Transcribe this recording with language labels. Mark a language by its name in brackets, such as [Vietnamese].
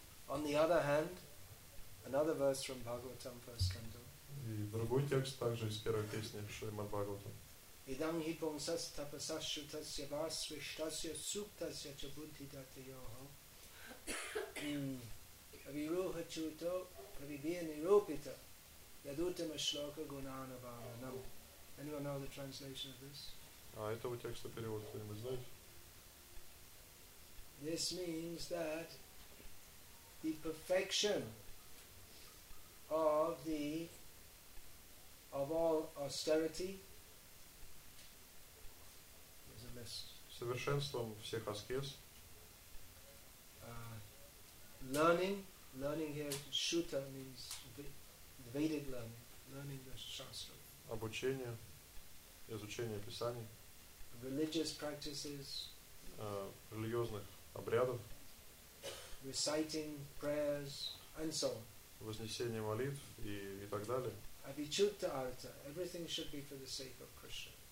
[English] On the other hand, another verse from Bhagavatam, first canto. [Russian] И другой текст также из первой песни Шримад Бхагаватам. [Sanskrit] Идам хипунсас тапасас шутасья вас свиштасья суктасья чабунти дати йохо. Авируха чуто прибиени рупита ядутама шлока гунана бхаванам. [English] Anyone know the translation of this? [Russian] А этого текста перевод кто-нибудь знает? [English] This means that the perfection of all austerity is a list. [Russian] Совершенством всех аскез. [English] Learning here, shuta means Vedic learning, learning the shastra. [Russian] Обучение, изучение писаний. [English] Religious practices. [Russian] Религиозных обрядов. [English] Reciting prayers and so on. [Russian] Вознесение молитв и так далее. [Sanskrit] Avichutta arta. [English] Everything should be for the sake of Krishna.